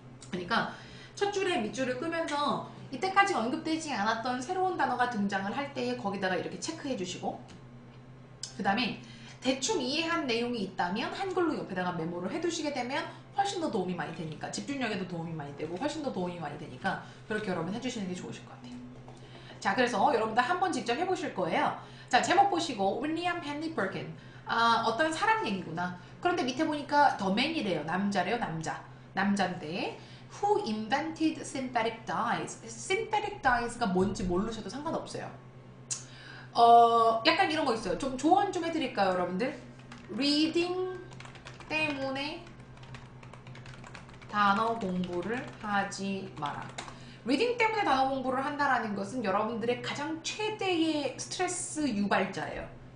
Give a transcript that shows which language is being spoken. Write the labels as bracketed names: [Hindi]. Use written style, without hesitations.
[Korean] 그러니까 첫 줄에 밑줄을 끄면서 이때까지 언급되지 않았던 새로운 단어가 등장을 할 때에 거기다가 이렇게 체크해 주시고, 그 다음에 대충 이해한 내용이 있다면 한글로 옆에다가 메모를 해 두시게 되면 훨씬 더 도움이 많이 되니까, 집중력에도 도움이 많이 되고 훨씬 더 도움이 많이 되니까 그렇게 여러분 해주시는 게 좋으실 것 같아요. 자, 그래서 여러분들 한번 직접 해보실 거예요. 자, 제목 보시고 윌리엄 헨리 퍼킨, 아, 어떤 사람 얘기구나. 그런데 밑에 보니까 더 맨이래요. 남자래요, 남자. 남잔데 [English] Who invented synthetic dyes? [Korean] Synthetic dyes가 뭔지 모르셔도 상관없어요. 약간 이런 거 있어요. 좀 조언 좀 해드릴까요, 여러분들? Reading 때문에 단어 공부를 하지 마라. Reading 때문에 단어 공부를 한다라는 것은 여러분들의 가장 최대의 스트레스 유발자예요.